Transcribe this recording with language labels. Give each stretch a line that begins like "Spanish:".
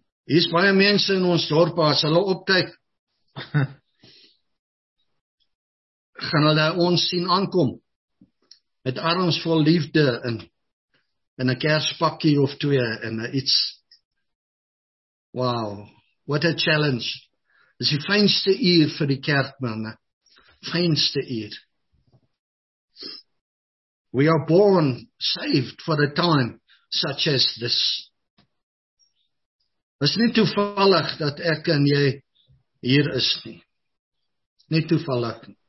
Afrikaans: Hier is baie mense in ons dorp, as hulle opkyk, gaan hulle ons sien aankom met arms vol liefde in 'n kerspakkie of twee en iets.
English: Wow, what a challenge.
Afrikaans: Is die fijnste eer vir die kerk, manne. Fijnste eer.
English: We are born saved for a time such as this.
Afrikaans: Is nie toevallig dat ek en jy hier is nie. Nie toevallig.